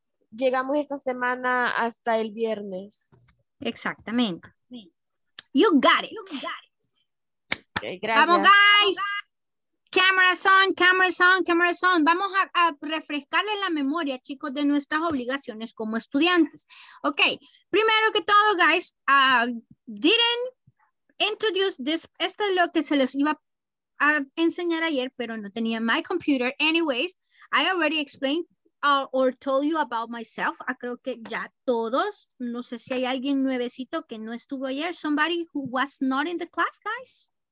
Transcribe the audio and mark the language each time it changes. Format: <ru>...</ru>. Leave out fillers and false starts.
<es>Llegamos esta semana hasta el viernes.</es> <en>Exactamente. You got it. Okay, vamos, guys. Cameras on, cameras on, cameras on.</en> <es>Vamos a refrescarle la memoria, chicos, de nuestras obligaciones como estudiantes. Ok, primero que todo, guys,</es> <en>didn't introduce this.</en> <es>Esto es lo que se les iba a enseñar ayer, pero no tenía</es> <en>my computer. Anyways, I already explained or told you about myself.</en> <es>Creo que ya todos. No sé si hay alguien nuevecito que no estuvo ayer.</es> <en>Somebody who was not in the class, guys.</en>